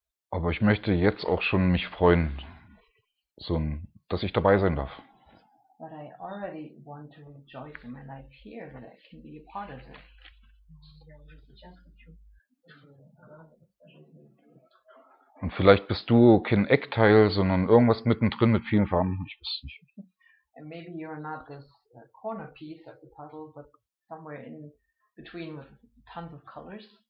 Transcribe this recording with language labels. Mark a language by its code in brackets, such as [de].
[de] Aber ich möchte jetzt auch schon mich freuen, so, dass ich dabei sein darf. [en] But I already want to rejoice in my life here, that I can be a part of it. [de] Und vielleicht bist du kein Eckteil, sondern irgendwas mittendrin mit vielen Farben. Ich weiß nicht. [en] And maybe you're not this corner piece of the puzzle, but somewhere in between with tons of colors.